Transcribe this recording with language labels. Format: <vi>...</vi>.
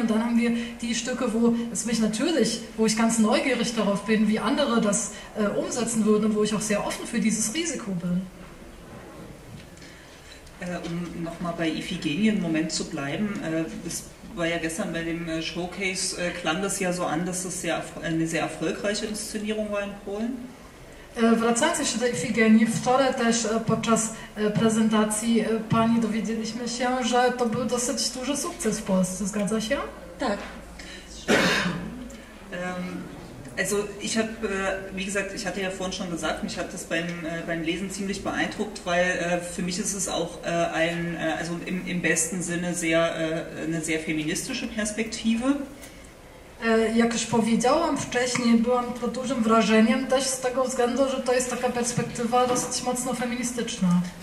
<de>Und dann haben wir die Stücke, wo es mich natürlich, wo ich ganz neugierig darauf bin, wie andere das umsetzen würden und wo ich auch sehr offen für dieses Risiko bin. Um nochmal bei Iphigenia einen Moment zu bleiben, es war ja gestern bei dem Showcase, klang das ja so an, dass es sehr, eine sehr erfolgreiche Inszenierung war in Polen.</de> <pl>Wracając jeszcze do Iphigenii, wczoraj też podczas prezentacji pani dowiedzieliśmy się, że to był dosyć duży sukces w Polsce, zgadza się? Tak.</pl> <de>Also ich habe, wie gesagt, ich hatte ja vorhin schon gesagt, mich hat das beim Lesen ziemlich beeindruckt, weil für mich ist es auch im besten Sinne sehr, eine sehr feministische Perspektive.</de> <pl>Jak już powiedziałam wcześniej, byłam pod dużym wrażeniem też z tego względu, że to jest taka perspektywa dosyć mocno feministyczna.</pl>